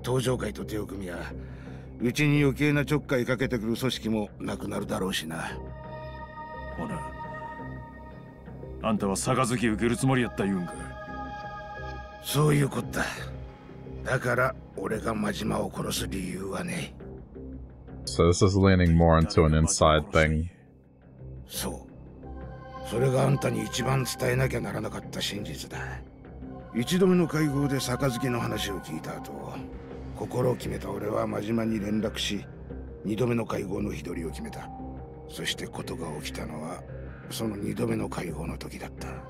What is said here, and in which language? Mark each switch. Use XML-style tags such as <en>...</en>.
<ja>東条会と手を組みや、うちに余計なちょっかいかけてくる組織もなくなるだろうしな。ほな、あんたは杯受けるつもりやった言うんか。そういうこった。だから俺が真島を殺す理由はねえ。</ja> <en>So this is leaning more into an inside thing.</en> <ja>そう。それがあんたに一番伝えなきゃならなかった真実だ。一度目の会合で杯の話を聞いた後、心を決めた俺は真島に連絡し、二度目の会合の日取りを決めた。そしてことが起きたのは、その二度目の会合の時だった。</ja>